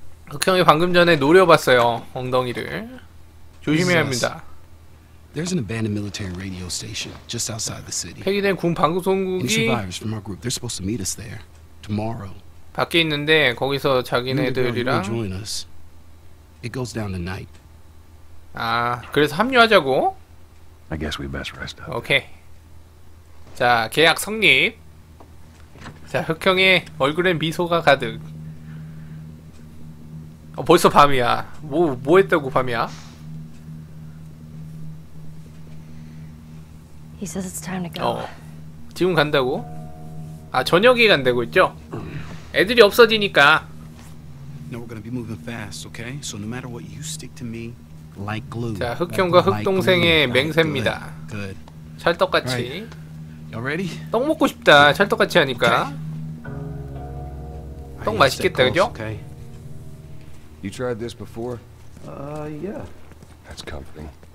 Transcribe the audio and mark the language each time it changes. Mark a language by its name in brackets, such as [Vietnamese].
[Korean] Hook 형이 방금 전에 노려봤어요, 엉덩이를. 조심해야 합니다. [English] There's an abandoned military radio station just outside the city. [Korean] 폐기된 군 방송국이 [English] survivors from our group. They're supposed to meet us there tomorrow. [Korean] 밖에 있는데 거기서 자기네들이랑 [English] It goes down tonight. [Korean] 아, 그래서 합류하자고? [English] I guess we best rest up. [Korean] 오케이. 자, 계약 성립. 자, 흑 형의 얼굴엔 미소가 가득. 어, 벌써 밤이야. 뭐 했다고 밤이야? [English] He says it's time to go. [Korean] 어, 지금 간다고? 아, 저녁에 간다고 했죠? 애들이 없어지니까. [English] Now we're gonna be moving fast, okay? So no matter what, you stick to me like glue. [Korean] 자, 흑형과 흑동생의 맹세입니다. [English] Good. [Korean] 찰떡같이. [English] You ready? [Korean] 떡 먹고 싶다. 찰떡같이 하니까. 떡 맛있겠다, 그죠? [English] You tried this before? Yeah. That's comforting.